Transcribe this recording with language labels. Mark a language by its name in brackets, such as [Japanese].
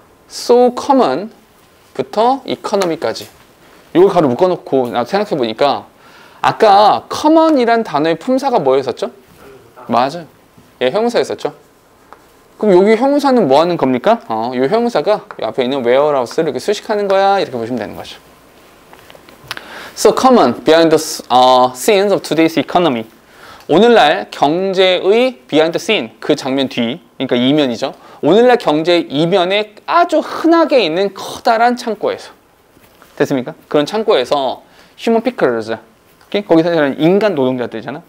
[Korean] So common부터 economy까지 이걸 가로 묶어놓고 생각해보니까 아까 common이란 단어의 품사가 뭐였었죠? 맞아요. 예, 형용사였었죠. 그럼 여기 형용사는 뭐하는 겁니까? 이 형용사가 이 앞에 있는 warehouse를 이렇게 수식하는 거야. 이렇게 보시면 되는 거죠. [English] So common behind the scenes of today's economy. [Korean] 오늘날 경제의 [English] behind the scene, [Korean] 그 장면 뒤, 그러니까 이면이죠. 오늘날 경제 이면에 아주 흔하게 있는 커다란 창고에서. 됐습니까? 그런 창고에서 [English] human pickers. [Korean] 거기서는 인간 노동자들이잖아.